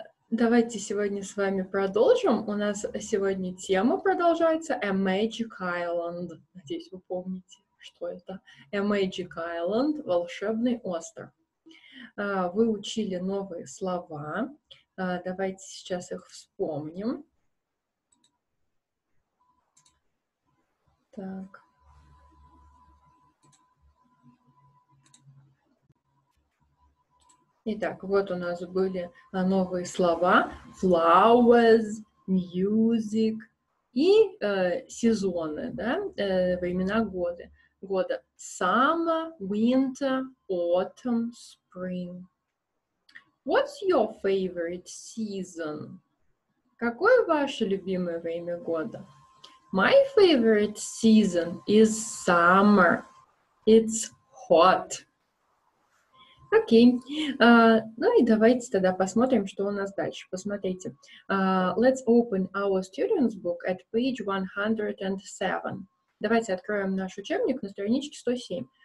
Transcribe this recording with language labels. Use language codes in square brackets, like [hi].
[ru] Давайте сегодня с вами продолжим. У нас сегодня тема продолжается [en] A Magic Island. [ru] Надеюсь, вы помните, что это. [en] A Magic Island — [ru] волшебный остров. Вы учили новые слова. Давайте сейчас их вспомним. Так. Итак, вот у нас были новые слова: flowers, music и сезоны, да, времена года. [en] Года: summer, winter, autumn, spring. What's your favorite season? [ru] Какое ваше любимое время года? [en] My favorite season is summer. It's hot. Окей. [ru] Ну и давайте тогда посмотрим, что у нас дальше. Посмотрите. [en] Let's open our student's book at page 107. [ru] Давайте откроем наш учебник на страничке 107.